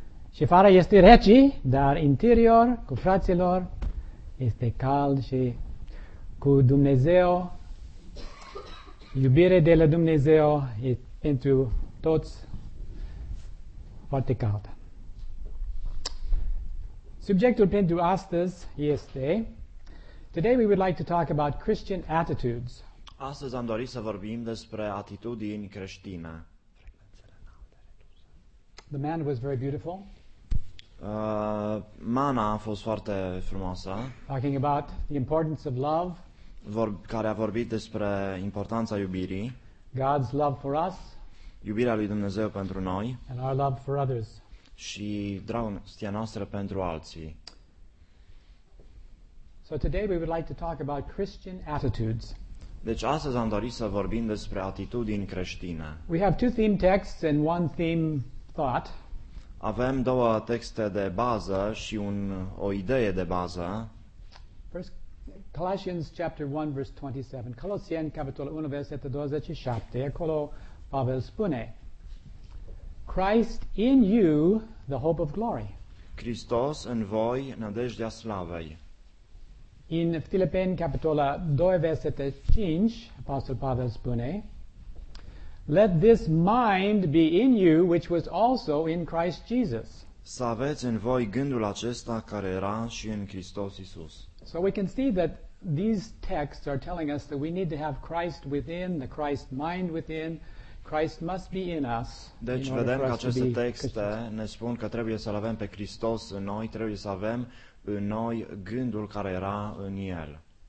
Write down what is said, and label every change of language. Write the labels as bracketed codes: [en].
[ro] Și afară este rece, dar interior, cu fraților, este cald și cu Dumnezeu, iubire de la Dumnezeu e pentru toți foarte cald. Subiectul pentru astăzi este... [en] Today we would like to talk about Christian attitudes. [ro] Astăzi am dorit să vorbim despre atitudini creștine. [en] The man was very beautiful. [ro] Mana a fost foarte frumoasă. [en] Talking about the importance of love. [ro] Care a vorbit despre importanța iubirii. [en] God's love for us. [ro] Iubirea lui Dumnezeu pentru noi. [en] And our love for others. [ro] Și dragostea noastră pentru alții. [en] So today we would like to talk about Christian attitudes. [ro] Deci astăzi am dorit să vorbim despre atitudini creștine. [en] We have two theme texts and one theme thought. [ro] Avem două texte de bază și o idee de bază. [en] First, Colossians chapter 1 verse 27. [ro] Colossians capitolul 1 versetul 27. Acolo Pavel spune: [en] Christ in you, the hope of glory. [ro] Hristos în voi, nădejdea slavei. În Filipeni, capitola 2, versetul 5, Apostol Pavel spune: [en] Let this mind be in you, which was also in Christ Jesus. [ro] Să aveți în voi gândul acesta care era și în Hristos Iisus. [en] So we can see that these texts are telling us that we need to have Christ within, the Christ mind within. Christ must be in us. [ro] Deci vedem că aceste texte ne spun că trebuie să-L avem pe Hristos în noi, trebuie să avem în noi gândul care era în el.